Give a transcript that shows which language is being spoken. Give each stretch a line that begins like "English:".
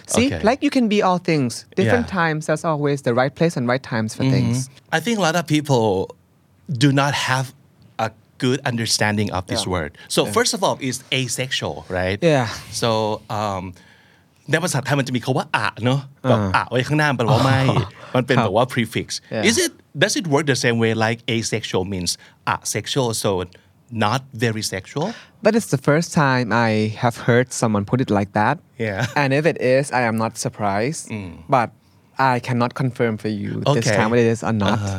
English: See, like you can be all things. Different times, there's always the right place and right times for things. I think a lot of people do not have a good understanding of this word. So first of all, it's asexual, right? So there was a time to me called a, no?
Thai: A, ข้างหน้า มัน แปลว่า ไม่ มัน เป็น แบบ ว่า prefix.
English: Is it? Does it work the same way like asexual means asexual, so not very sexual? But it's the first time I have heard someone put it like that. Yeah. And if it is, I am not surprised. But I cannot confirm for you this time what it is or not.